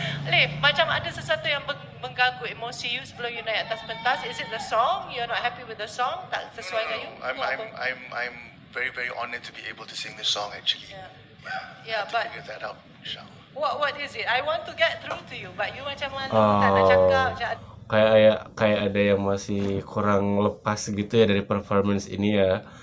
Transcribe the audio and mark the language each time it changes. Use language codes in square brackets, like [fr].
[ms] Alif, macam ada sesuatu yang mengganggu emosi you sebelum you naik atas pentas. [en] Is it the song? You're not happy with the song? [ms] Tak sesuai dengan you? [en] I'm very very honored to be able to sing this song actually. Yeah, to figure that out, Michelle. What is it? I want to get through to you, but you [ms] macam mana? Tak nak cakap. [id] Kayak ada yang masih kurang lepas gitu ya dari performance ini ya.